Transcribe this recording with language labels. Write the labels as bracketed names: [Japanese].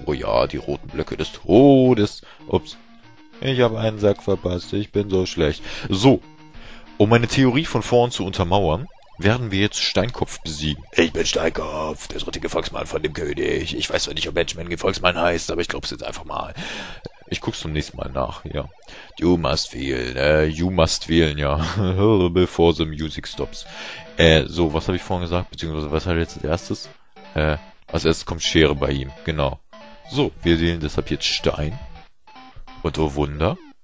[German] Oh ja, die roten Blöcke des Todes. Ups. Ich habe einen Sack verpasst. Ich bin so schlecht. So, um meine Theorie von vorn zu untermauern, werden wir jetzt Steinkopf besiegen. Ich bin Steinkopf, der dritte Gefolgsmann von dem König. Ich weiß zwar nicht, ob Benjamin Gefolgsmann heißt, aber ich glaub's jetzt einfach mal. Ich guck's zum nächsten Mal nach, ja. [English] You must feel, you must feel, ja. Before the music stops. [German] So, was habe ich vorhin gesagt? Beziehungsweise, was hat er jetzt als erstes? Als erstes kommt Schere bei ihm, genau. So, wir sehen deshalb jetzt Stein. Und oh Wunder.